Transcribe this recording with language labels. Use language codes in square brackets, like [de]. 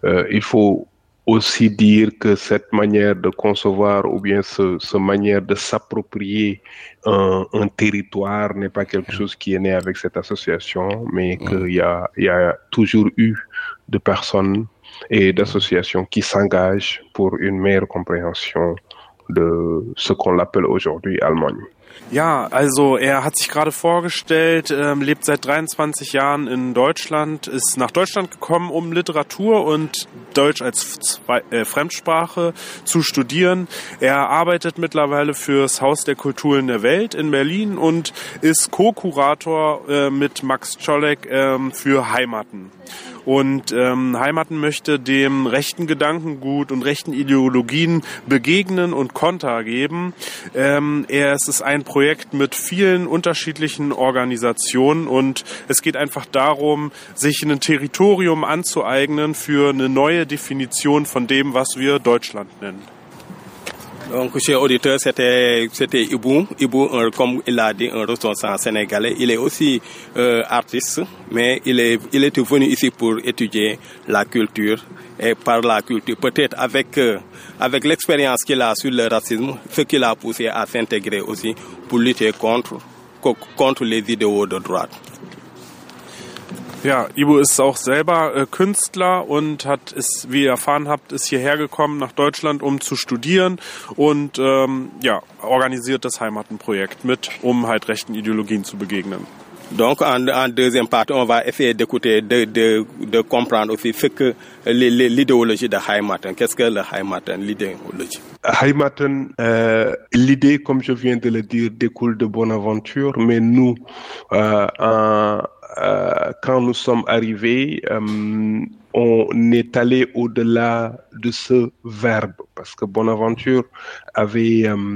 [fr] il faut aussi dire que cette manière de concevoir ou bien ce manière de s'approprier un territoire n'est pas quelque chose qui est né avec cette association, mais qu'il y a toujours eu de personnes et d'associations qui s'engagent pour une meilleure compréhension de ce qu'on appelle aujourd'hui Allemagne. [de] Ja, also er hat sich gerade vorgestellt, lebt seit 23 Jahren in Deutschland, ist nach Deutschland gekommen, um Literatur und Deutsch als Fremdsprache zu studieren. Er arbeitet mittlerweile fürs Haus der Kulturen der Welt in Berlin und ist Co-Kurator mit Max Czolek für Heimaten. Und Heimaten möchte dem rechten Gedankengut und rechten Ideologien begegnen und Konter geben. Es ist ein Projekt mit vielen unterschiedlichen Organisationen und es geht einfach darum, sich ein Territorium anzueignen für eine neue Definition von dem, was wir Deutschland nennen. [fr] Donc, chers auditeurs, c'était Iboum. Iboum, comme il l'a dit, un ressortissant sénégalais. Il est aussi artiste, mais il est venu ici pour étudier la culture. Et par la culture, peut-être avec l'expérience qu'il a sur le racisme, ce qui l'a poussé à s'intégrer aussi pour lutter contre les idéaux de droite. [de] Ja, Ibo ist auch selber Künstler und hat, ist, wie ihr erfahren habt, ist hierher gekommen nach Deutschland, um zu studieren und organisiert das Heimatenprojekt mit, um halt rechten Ideologien zu begegnen. [fr] Donc en deuxième partie, on va essayer d'écouter, de comprendre aussi ce que l'idéologie de Heimaten. Qu'est-ce que le Heimaten, l'idéologie? Heimaten, l'idée, comme je viens de le dire, découle de Bonaventure, mais nous, quand nous sommes arrivés, on est allé au-delà de ce verbe, parce que Bonaventure avait